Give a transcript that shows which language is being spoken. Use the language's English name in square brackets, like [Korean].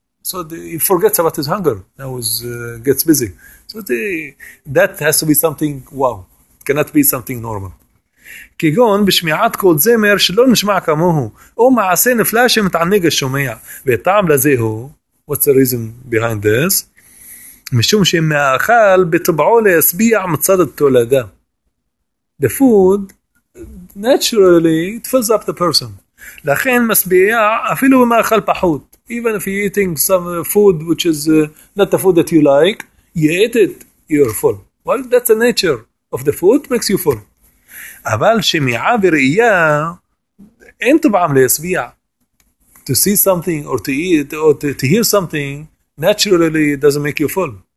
[English] So he forgets about his hunger. Now gets busy. So that has to be something wow. Cannot be something normal. [Hebrew] כגון בשמיעת קול זמר שלא נשמע כמוהו, או מעשה נפלא שמתענג השומע. וטעם לזה הוא, [English] what's the reason behind this? [Hebrew] משום שמאכל בטבעו להסביע מצד התולדה. [English] The food, naturally, it fills up the person. [Hebrew] לכן מסביע אפילו במאכל פחות. [English] Even if you're eating some food which is not the food that you like, you eat it, you're full. Well, that's the nature of the food, makes you full. [Hebrew] אבל שמיעה וראייה, אין טבעם להסביע. [English] To see something or to eat or to hear something, naturally it doesn't make you full.